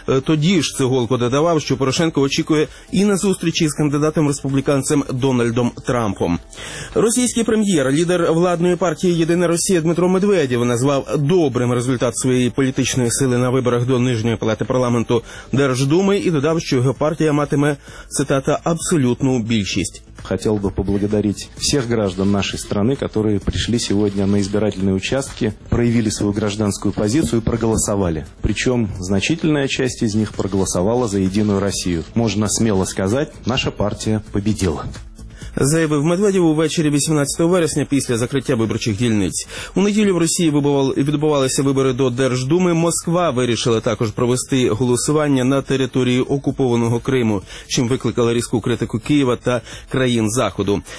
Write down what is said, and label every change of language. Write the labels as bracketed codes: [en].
[uk] Тоді ж Цеголко додавав, що Порошенко очікує і на зустрічі з кандидатом-республіканцем Дональдом Трампом. Російський прем'єр, лідер владної партії «Єдина Росія» Дмитро Медведєв назвав добрим результат своєї політичної сили на виборах до Нижньої палати парламенту Держдуми і додав, що його партія матиме, цитата, абсолютну більшість. [ru] Хотел бы поблагодарить всех граждан нашей страны, которые пришли сегодня на избирательные участки, проявили свою гражданскую позицию и проголосовали. Причем значительная часть из них проголосовала за Единую Россию. Можно смело сказать, наша партия победила. [uk] Заявив Медведєв увечері 18 вересня після закриття виборчих дільниць. У неділю в Росії відбувалися вибори до Держдуми. Москва вирішила також провести голосування на території окупованого Криму, чим викликала різку критику Києва та країн Заходу.